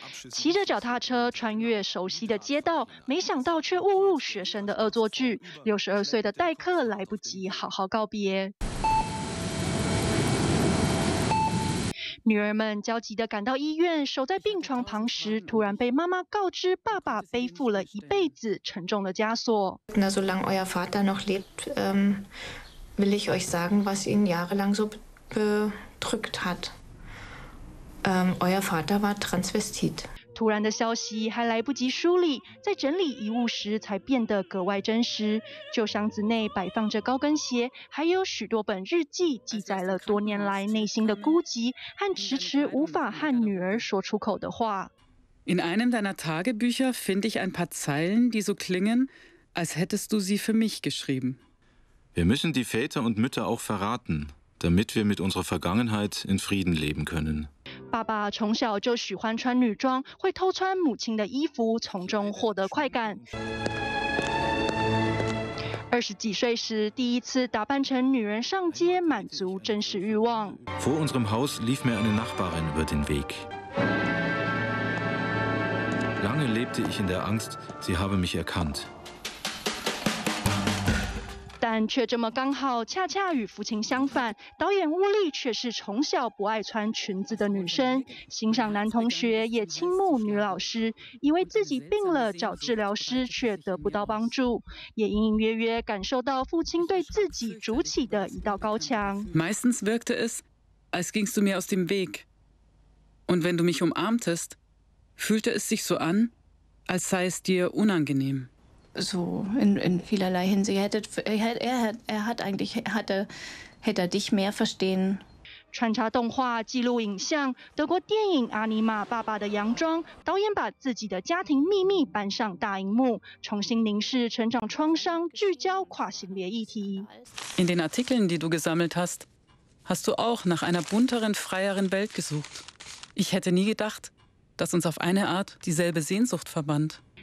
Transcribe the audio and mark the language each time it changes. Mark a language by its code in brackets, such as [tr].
[zh] 骑着脚踏车穿越熟悉的街道，没想到却误入学生的恶作剧。 62岁的代课来不及好好告别，女儿们焦急地赶到医院，守在病床旁时，突然被妈妈告知，爸爸背负了一辈子沉重的枷锁。 [de] 那 solange euer Vater noch lebt, will ich euch sagen, was ihn jahrelang so bedrückt hat. Euer Vater war transvestit. [zh] 突然的消息还来不及梳理，在整理遗物时才变得格外真实。旧箱子内摆放着高跟鞋，还有许多本日记，记载了多年来内心的孤寂和迟迟无法和女儿说出口的话。 [de] In einem deiner Tagebücher finde ich ein paar Zeilen, die so klingen, als hättest du sie für mich geschrieben. Wir müssen die Väter und Mütter auch verraten, damit wir mit unserer Vergangenheit in Frieden leben können. [zh] 爸爸从小就喜欢穿女装，会偷穿母亲的衣服，从中获得快感。 20几岁时，第一次打扮成女人上街，满足真实欲望。 [de] Vor unserem Haus lief mir eine Nachbarin über den Weg. Lange lebte ich in der Angst, sie habe mich erkannt. [zh] 但却这么刚好，恰恰与父亲相反。导演乌利却是从小不爱穿裙子的女生，欣赏男同学，也倾慕女老师，以为自己病了找治疗师却得不到帮助，也隐隐约约感受到父亲对自己筑起的一道高墙。 [de] Meistens wirkte es, als gingst du mir aus dem Weg, Und wenn du mich umarmtest, fühlte es sich so an, als sei es dir unangenehm. So in vielerlei Hinsicht. Hätte er dich mehr verstehen. [zh] 穿插动画记录影像，德国电影《阿尼玛爸爸的洋装》导演把自己的家庭秘密搬上大荧幕，重新凝视成长创伤，聚焦跨性别议题。 [de] In den Artikeln, die du gesammelt hast, hast du auch nach einer bunteren, freieren Welt gesucht. Ich hätte nie gedacht, dass uns auf eine Art dieselbe Sehnsucht verband.